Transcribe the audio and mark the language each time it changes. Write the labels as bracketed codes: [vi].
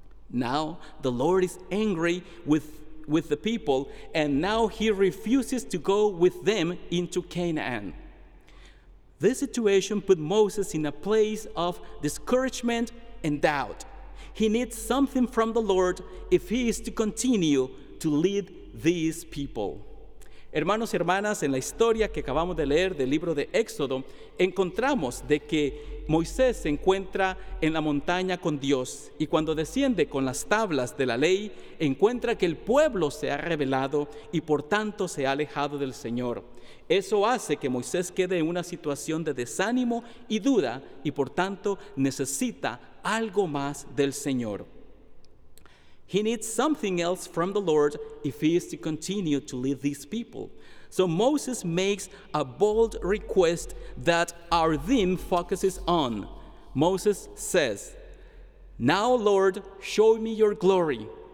[en] Now the Lord is angry with the people, and now he refuses to go with them into Canaan. This situation put Moses in a place of discouragement and doubt. He needs something from the Lord if he is to continue to lead these people. [es] Hermanos y hermanas, en la historia que acabamos de leer del libro de Éxodo, encontramos de que Moisés se encuentra en la montaña con Dios y cuando desciende con las tablas de la ley, encuentra que el pueblo se ha rebelado y por tanto se ha alejado del Señor. Eso hace que Moisés quede en una situación de desánimo y duda y por tanto necesita algo más del Señor. [en] He needs something else from the Lord if he is to continue to lead these people. So Moses makes a bold request that our theme focuses on. Moses says, "Now, Lord, show me your glory."